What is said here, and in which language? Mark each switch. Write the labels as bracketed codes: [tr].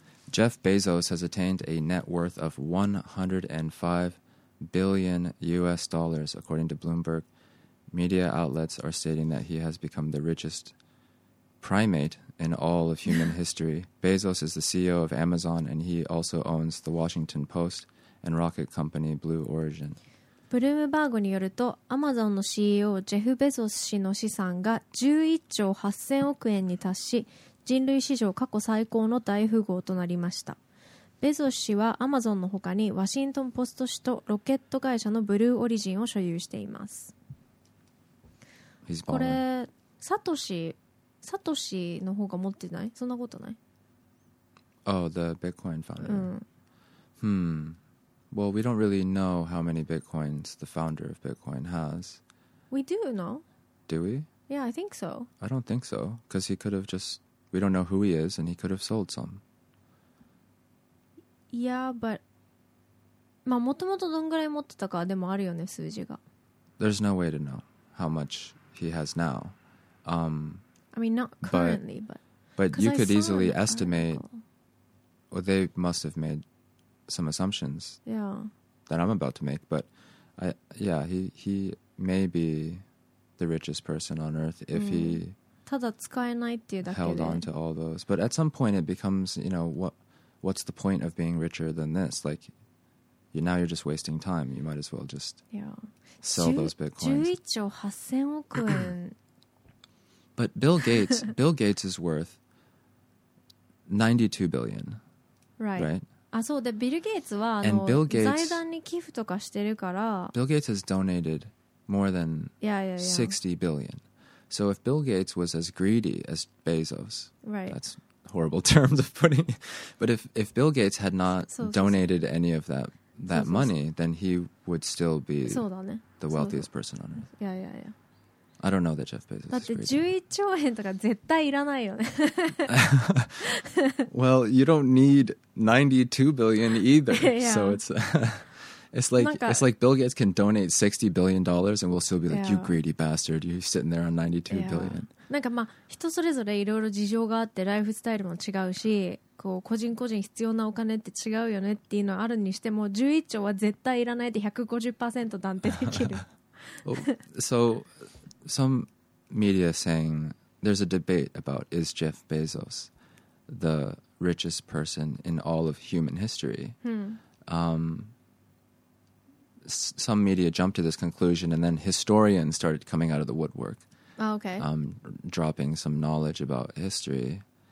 [en] Jeff Bezos has attained a net worth of $105 billion, according to Bloomberg. Media outlets are stating that he has become the richest primate in all of human history. Bezos is the CEO of Amazon, and he also owns the Washington Post and rocket company Blue Origin. [ja] ブルームバーグによると、アマゾンの CEO ジェフ・ベゾス氏の資産が11兆8000億円に達し、人類史上過去最高の大富豪となりました。ベゾス氏はアマゾンの他にワシントンポスト紙とロケット会社のブルーオリジンを所有しています。これサトシの方が持ってない？そんなことない？ [en] Oh, the Bitcoin founder. Well, we don't really know how many Bitcoins the founder of Bitcoin has. We do know. Do we? Yeah, I think so. I don't think so, because he could have just... We don't know who he is, and he could have sold some. Yeah, but... [ja] まあ、もともとどんぐらい持ってたかでもあるよね、数字が。 [en] There's no way to know how much he has now. I mean, not currently, but... But you could easily estimate... Well, they must have made some assumptions. Yeah. That I'm about to make, but... he may be the richest person on Earth if he... [ja] ただ使えないっていうだけで [en] held on to all those. But at some point it becomes, you know, what's the point of being richer than this? Like, now you're just wasting time. You might as well just sell those bitcoins. [ja] 11兆8000億円 [en] But Bill Gates is worth $92 billion. Right. [ja] あ、そうで、ビル・ゲイツは財団に寄付とかしてるから [en] Bill Gates has donated more than $60 billion. So if Bill Gates was as greedy as Bezos, that's horrible terms of putting it, but if Bill Gates had not donated any of that money, then he would still be the wealthiest person on earth. Yeah, yeah, yeah. I don't know that Jeff Bezos is greedy. That's [ja] 11兆円とか絶対いらないよね。 [en] Well, you don't need $92 billion either, so it's... It's like Bill Gates can donate $60 billion and we'll still be like, you greedy bastard, you're sitting there on $92 billion. [ja] なんかまあ人それぞれいろいろ事情があってライフスタイルも違うし、こう個人個人必要なお金って違うよねっていうのはあるにしても、11兆は絶対いらないで 150% 断定できる。 [en] So some media saying there's a debate about is Jeff Bezos the richest person in all of human history? Some media jumped to this conclusion, and then historians started coming out of the woodwork, dropping some knowledge about history.